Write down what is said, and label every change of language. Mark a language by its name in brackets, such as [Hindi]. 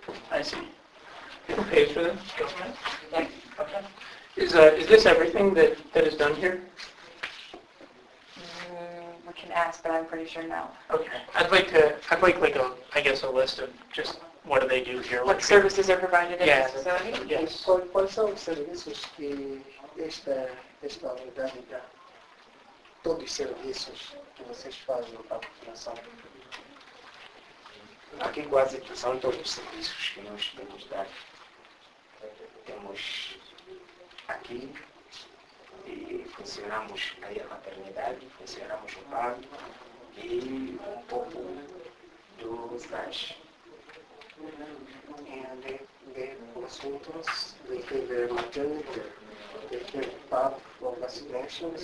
[English] I see. People pay for them, government? Yeah. Okay. Is this everything that is done here? We can ask, but I'm pretty sure no. Okay. I'd like a list of just what do they do here. What services are provided at yeah. this facility? Yes. [Portuguese] Quais são os serviços que esta unidade dá? Todos os serviços que vocês fazem para a população? Aqui quase são todos os serviços que nós temos dado. Temos aqui e funcionamos aí a maternidade, funcionamos o PAV e um pouco do SAS. [English] And the consultants, they have a maternity, they have PAV for vaccinations.